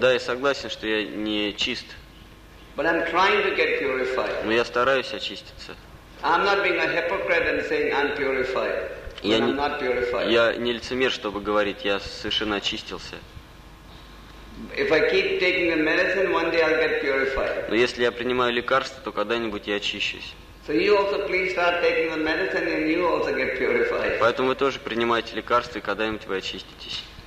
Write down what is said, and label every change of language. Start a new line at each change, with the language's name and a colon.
Russian: Да, я согласен, что я не чист.
English: But I'm trying to get purified.
Russian: Но я стараюсь очиститься.
English: I'm not being a hypocrite and saying I'm purified.
Russian: Я
English: I'm not purified.
Russian: Я не лицемер, чтобы говорить, я совершенно очистился.
English: If I keep taking the medicine, one day I'll get purified.
Russian: Но если я принимаю лекарства, то когда-нибудь я очищусь.
English: So you also please start taking the medicine and you also get purified.
Russian: Поэтому вы тоже принимайте лекарства, и когда-нибудь вы очиститесь.